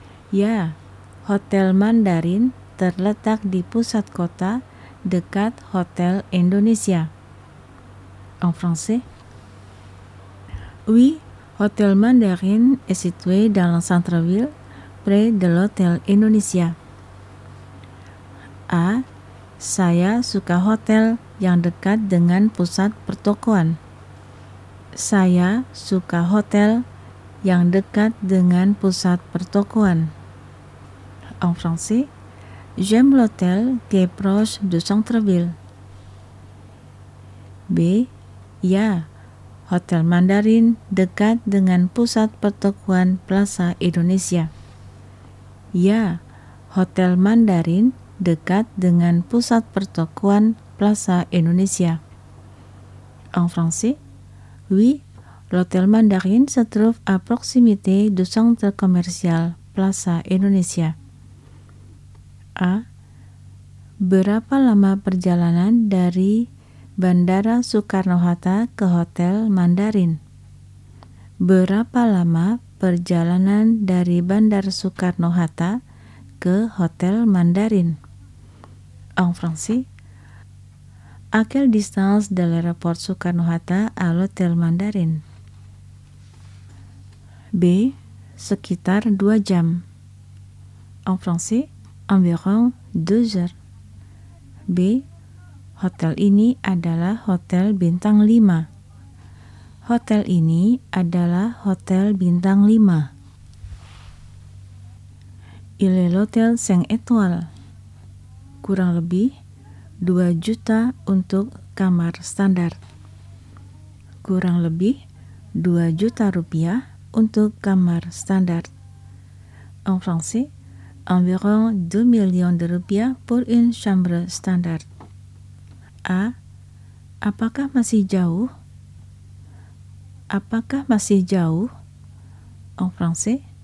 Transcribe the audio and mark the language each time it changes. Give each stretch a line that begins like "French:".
Indonesian: Ya, Hotel Mandarin terletak di pusat kota dekat Hotel Indonesia.
French: En français. Oui, Hotel Mandarin est situé dans le centre-ville, près de l'Hôtel Indonesia. A.
Indonesian: Saya suka hotel yang dekat dengan pusat pertokoan. Saya suka hotel yang dekat dengan pusat pertokoan.
French: En français. J'aime l'hôtel qui est proche du centre-ville.
Indonesian: B. Ya, Hotel Mandarin dekat dengan pusat pertokoan Plaza Indonesia. Ya, Hotel Mandarin dekat dengan pusat pertokoan Plaza Indonesia.
French: En français. Oui, l'Hotel Mandarin se trouve à proximité du centre commercial Plaza Indonesia. A.
Indonesian: Berapa lama perjalanan dari Bandara Soekarno-Hatta ke Hotel Mandarin? Berapa lama perjalanan dari Bandara Soekarno-Hatta ke Hotel Mandarin?
French: En français. À quelle distance de l'aéroport Soekarno-Hatta à l'Hotel Mandarin?
Indonesian: B. Sekitar 2 jam.
French: En français. Environ 2 heures. B.
Indonesian: Hotel ini adalah hotel bintang 5. Hotel ini adalah hotel bintang 5.
French: Il est l'hôtel 5 étoiles.
Indonesian: Kurang lebih 2 juta untuk kamar standar. Kurang lebih 2 juta rupiah untuk kamar standar.
French: En français, environ 2 millions de rupiah pour une chambre standard.
Indonesian: A. Apakah masih jauh? Apakah masih jauh?
French: En français.